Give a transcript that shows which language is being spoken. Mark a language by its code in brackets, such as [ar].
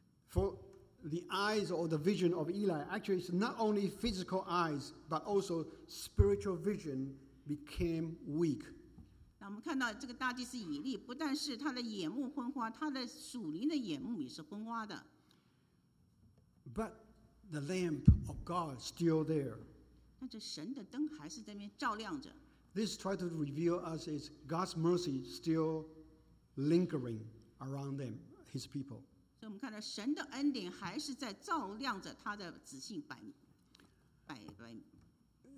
[en] For the eyes or the vision of Eli, actually, it's not only physical eyes, but also spiritual vision became weak. [zh] 那我们看到这个大祭司以利，不但是他的眼目昏花，他的属灵的眼目也是昏花的。 [en] But the lamp of God still there. [zh] 那这神的灯还是在那边照亮着。 [en] This tries to reveal us is God's mercy still lingering around them, His people. So we see that God's mercy is still lingering around them, His people.